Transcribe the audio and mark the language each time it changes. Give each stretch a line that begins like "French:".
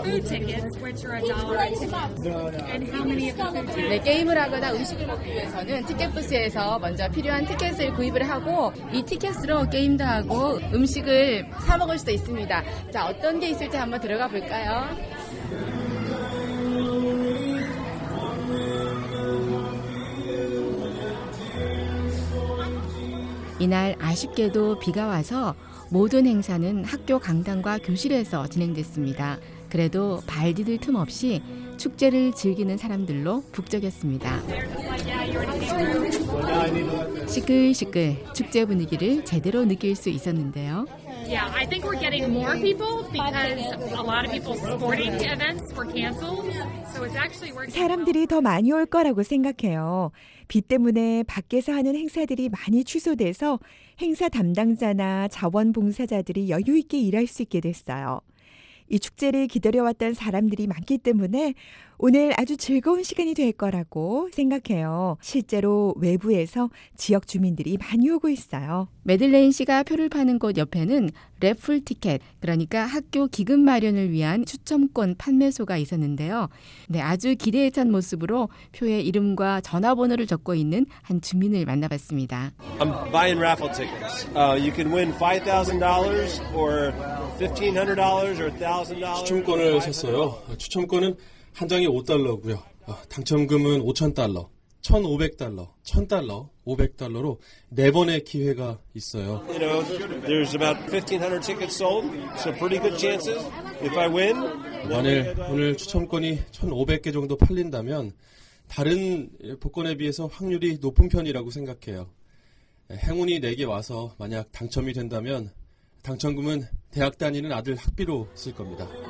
English: And then there are food tickets, which are $1 a
Korean: ticket. 네, 게임을 하거나 음식을 먹기 위해서는 티켓 부스에서 먼저 필요한 티켓을 구입을 하고 이 티켓으로 게임도 하고 음식을 사 먹을 수도 있습니다. 자, 어떤 게 있을지 한번 들어가 볼까요? 이날 아쉽게도 비가 와서 모든 행사는 학교 강당과 교실에서 진행됐습니다. 그래도 발 디딜 틈 없이 축제를 즐기는 사람들로 북적였습니다. 시끌시끌 축제 분위기를 제대로 느낄 수 있었는데요.
English: Yeah, I think we're getting more people because a lot of people's sporting events were canceled. So it's actually working.
Korean: 사람들이 더 많이 올 거라고 생각해요. 비 때문에 밖에서 하는 행사들이 많이 취소돼서 행사 담당자나 자원봉사자들이 여유 있게 일할 수 있게 됐어요. 이 축제를 기다려왔던 사람들이 많기 때문에 오늘 아주 즐거운 시간이 될 거라고 생각해요. 실제로 외부에서 지역 주민들이 많이 오고 있어요. 매들레인 씨가 표를 파는 곳 옆에는 랩풀 티켓, 그러니까 학교 기금 마련을 위한 추첨권 판매소가 있었는데요. 네, 아주 기대에 찬 모습으로 표에 이름과 전화번호를 적고 있는 한 주민을 만나봤습니다.
English: I'm buying raffle tickets. You can win $5,000 or $1,500 or $1,000.
Korean: 추첨권을 샀어요. 추첨권은 한 장에 5달러고요. 당첨금은 5,000달러, 1,500달러, 1,000달러, 500달러로 네 번의 기회가 있어요.
English: You know, there's about 1,500 tickets sold, so pretty good chances if I win.
Korean: 만일 오늘 추첨권이 1,500개 정도 팔린다면 다른 복권에 비해서 확률이 높은 편이라고 생각해요. 행운이 내게 와서 만약 당첨이 된다면 당첨금은 대학 다니는 아들 학비로 쓸 겁니다.